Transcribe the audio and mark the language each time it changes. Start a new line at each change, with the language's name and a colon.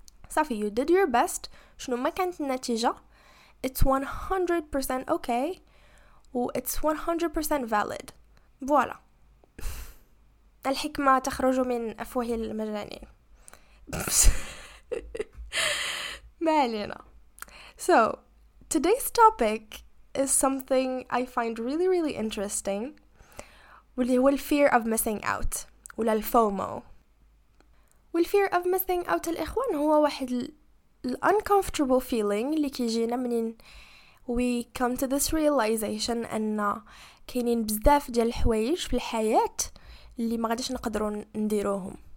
Arabic: صافي,
English: you did your best.
Arabic: شنو ما كانت النتيجة,
English: it's 100% okay. It's 100% valid. Voilà.
Arabic: الحكمة تخرج من أفواه المجانين. ما علينا.
English: So, today's topic is something I find really, really interesting.
Arabic: واللي هو
English: fear of missing out.
Arabic: ولا الفومو. وال
English: fear of missing out
Arabic: الإخوان هو واحد
English: uncomfortable feeling
Arabic: اللي كيجينا منين
English: we come to this realization
Arabic: أن كاينين بزاف ديال الحوايج في الحياة اللي ما غاديش نقدروا نديروهم.